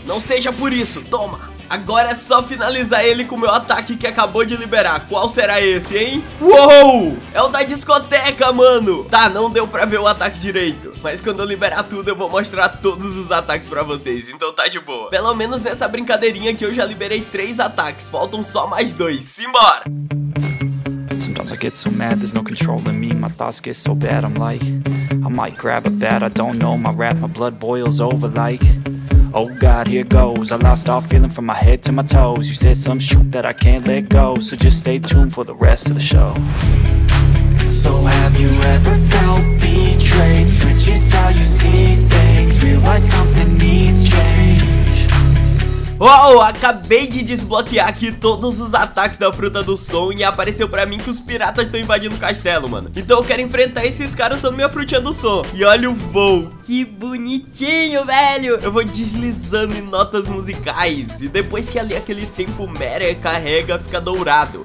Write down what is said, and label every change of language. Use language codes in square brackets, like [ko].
[pt] Não seja por isso, toma! Agora é só finalizar ele com o meu ataque que acabou de liberar. Qual será esse, hein? Uou! É o da discoteca, mano! Tá, não deu pra ver o ataque direito. Mas quando eu liberar tudo, eu vou mostrar todos os ataques pra vocês. Então tá de boa. Pelo menos nessa brincadeirinha que eu já liberei três ataques. Faltam só mais dois. Simbora! [en] Sometimes I get so mad, there's no control in me. My thoughts get so bad, I'm like... I might grab a bat, I don't know. My wrath, my blood boils over like... Oh God, here goes. I lost all feeling from my head to my toes. You said some shit that I can't let go. So just stay tuned for the rest of the show. So have you ever felt betrayed? Switches how you see things. Realize something needs change. [pt] Uou, acabei de desbloquear aqui todos os ataques da Fruta do Som e apareceu pra mim que os piratas estão invadindo o castelo, mano. Então eu quero enfrentar esses caras usando minha frutinha do som. E olha o voo. Que bonitinho, velho. Eu vou deslizando em notas musicais. E depois que ali aquele tempo mera carrega, fica dourado.